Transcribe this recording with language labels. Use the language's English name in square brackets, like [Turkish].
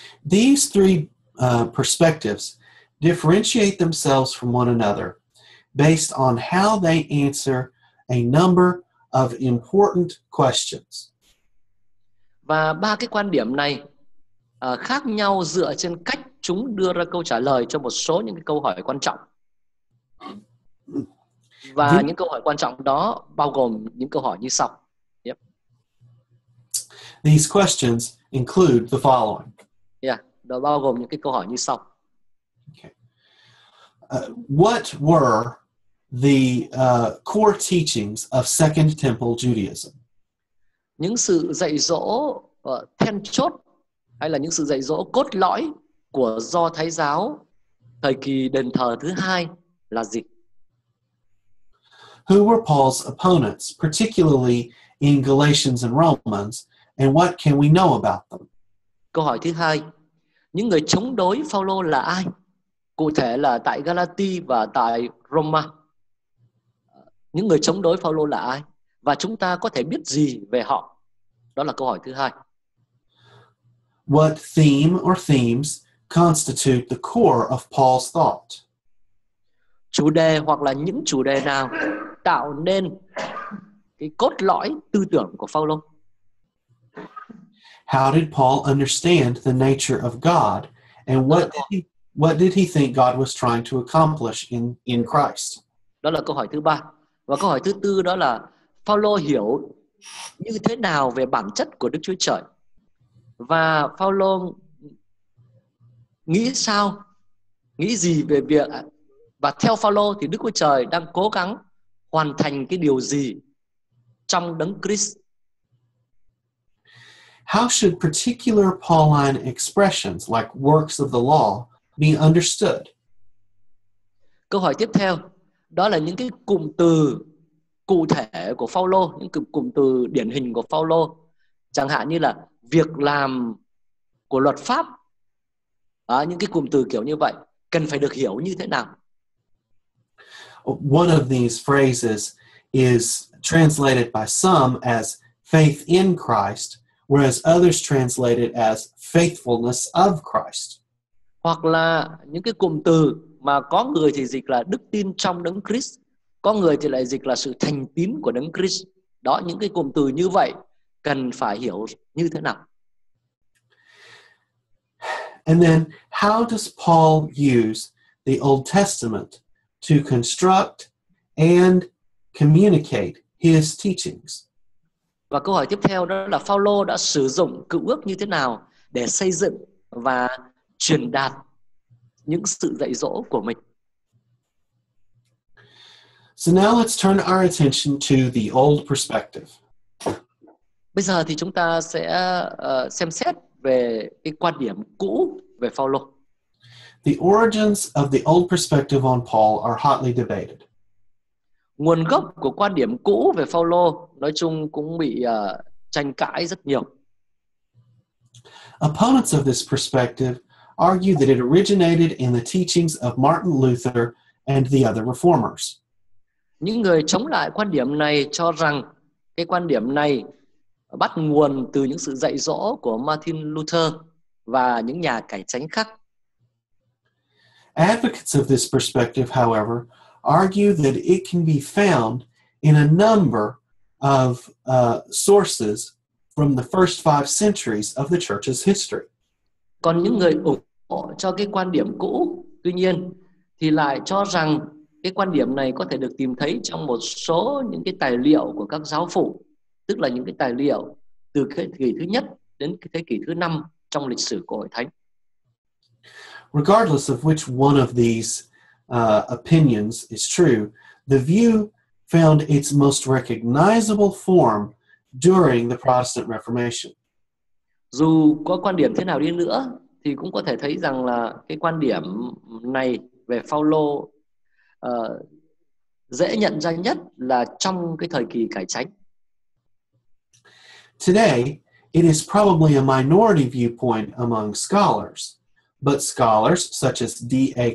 [English] These three perspectives differentiate themselves from one another based on how they answer a number of important questions. [Vietnamese] Và ba cái quan điểm này khác nhau dựa trên cách chúng đưa ra câu trả lời cho một số những cái câu hỏi quan trọng. Và những câu hỏi quan trọng đó bao gồm những câu hỏi như sau. Yep. [English] These questions include the following. Yeah. [Vietnamese] Đó bao gồm những cái câu hỏi như sau. Okay. [English] What were the core teachings of Second Temple Judaism? [Vietnamese] Những sự dạy dỗ then chốt hay là những sự dạy dỗ cốt lõi của Do Thái Giáo thời kỳ đền thờ thứ hai là gì? [English] Who were Paul's opponents, particularly in Galatians and Romans, and what can we know about them? [Vietnamese] Câu hỏi thứ hai, những người chống đối Phaolô là ai? Cụ thể là tại Galati và tại Roma. Những người chống đối Phaolô là ai? Và chúng ta có thể biết gì về họ? Đó là câu hỏi thứ hai. [English] What theme or themes constitute the core of Paul's thought? [Vietnamese] Chủ đề hoặc là những chủ đề nào tạo nên cái cốt lõi tư tưởng của Phaolô? [English] How did Paul understand the nature of God and what did he think God was trying to accomplish in Christ? [Vietnamese] Đó là câu hỏi thứ ba. Và câu hỏi thứ tư đó là Phaolô hiểu như thế nào về bản chất của Đức Chúa Trời? Và Phaolô nghĩ sao? Nghĩ gì về việc và theo Phaolô thì Đức Chúa Trời đang cố gắng hoàn thành cái điều gì trong Đấng Christ? [English] How should particular Pauline expressions like works of the law be understood? [Vietnamese] Câu hỏi tiếp theo, đó là những cái cụm từ cụ thể của Phaolô, những cụm từ điển hình của Phaolô, chẳng hạn như là việc làm của luật pháp, những cái cụm từ kiểu như vậy, cần phải được hiểu như thế nào? [English] One of these phrases is translated by some as faith in Christ, whereas others translate it as faithfulness of Christ. [Vietnamese] Hoặc là những cái cụm từ mà có người thì dịch là đức tin trong Đấng Christ, có người thì lại dịch là sự thành tín của Đấng Christ. Đó, những cái cụm từ như vậy cần phải hiểu như thế nào. [English] And then, how does Paul use the Old Testament to construct and communicate his teachings? [Vietnamese] Và câu hỏi tiếp theo đó là Phao-lô đã sử dụng Cựu Ước như thế nào để xây dựng và truyền đạt những sự dạy dỗ của mình. [English] So now let's turn our attention to the old perspective. [Vietnamese] Bây giờ thì chúng ta sẽ xem xét về cái quan điểm cũ về Phao-lô. [English] The origins of the old perspective on Paul are hotly debated. [Vietnamese] Nguồn gốc của quan điểm cũ về Phao-lô nói chung cũng bị tranh cãi rất nhiều. [English] Opponents of this perspective argue that it originated in the teachings of Martin Luther and the other reformers. [Vietnamese] Những người chống lại quan điểm này cho rằng cái quan điểm này bắt nguồn từ những sự dạy dỗ của Martin Luther và những nhà cải chánh khác. [English] Advocates of this perspective, however, argue that it can be found in a number of sources from the first five centuries of the church's history. [Vietnamese] Còn những người ủng hộ cho cái quan điểm cũ, tuy nhiên, thì lại cho rằng cái quan điểm này có thể được tìm thấy trong một số những cái tài liệu của các giáo phụ, tức là những cái tài liệu từ thế kỷ thứ nhất đến thế kỷ thứ năm trong lịch sử của Hội Thánh. [English] Regardless of which one of these opinions is true, the view found its most recognizable form during the Protestant Reformation. [Vietnamese] Dù có quan điểm thế nào đi nữa, thì cũng có thể thấy rằng là cái quan điểm này về Phao-lô dễ nhận ra nhất là trong cái thời kỳ cải chánh. [English] Today, it is probably a minority viewpoint among scholars, but scholars such as D.A.